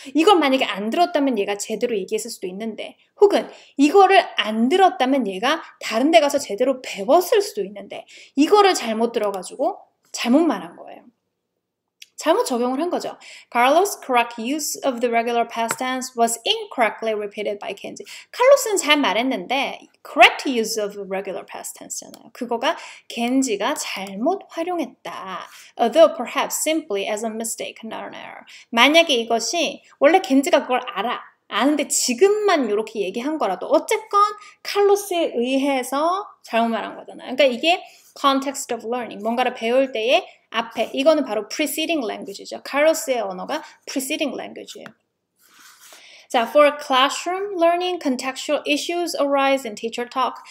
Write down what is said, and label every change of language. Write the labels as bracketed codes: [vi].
[ko] 이걸 만약에 안 들었다면 얘가 제대로 얘기했을 수도 있는데, 혹은 이거를 안 들었다면 얘가 다른 데 가서 제대로 배웠을 수도 있는데, 이거를 잘못 들어가지고 잘못 말한 거예요. 잘못 적용을 한 거죠. [en] Carlos' correct use of the regular past tense was incorrectly repeated by Kenzie. [ko] 칼로스는 잘 말했는데, [en] correct use of regular past tense잖아요. [ko] 그거가 겐지가 잘못 활용했다. [en] Although perhaps simply as a mistake, not an error. [ko] 만약에 이것이 원래 겐지가 그걸 알아. 아는데 지금만 이렇게 얘기한 거라도 어쨌건 칼로스에 의해서 잘못 말한 거잖아요. 그러니까 이게 [en] context of learning. [ko] 뭔가를 배울 때에 앞에, 이거는 바로 preceding language이죠. 카로스의 언어가 preceding language예요. [en] 자, for classroom learning, contextual issues arise in teacher talk.